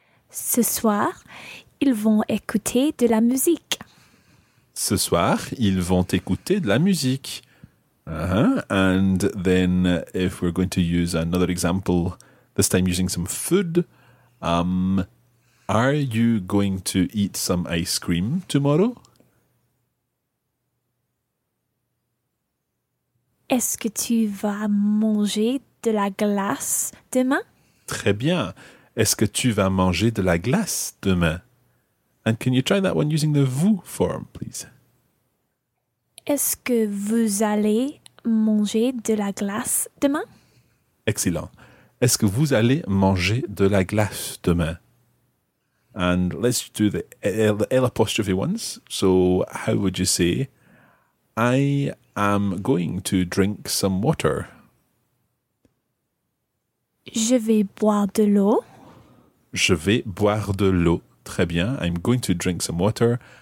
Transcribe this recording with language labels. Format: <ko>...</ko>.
<fr>Ce soir, ils vont écouter de la musique. Ce soir, ils vont écouter de la musique.</fr> <en>And then if we're going to use another example, this time using some food, are you going to eat some ice cream tomorrow?</en> <fr>Est-ce que tu vas manger de la glace demain? Très bien. Est-ce que tu vas manger de la glace demain?</fr> <en>And can you try that one using the vous form, please?</en> <fr>Est-ce que vous allez manger de la glace demain? Excellent. Est-ce que vous allez manger de la glace demain?</fr> <en>And let's do the L apostrophe ones. So how would you say, I am going to drink some water.</en> <fr>Je vais boire de l'eau. Je vais boire de l'eau. Très bien.</fr> <en>I'm going to drink some water.</en>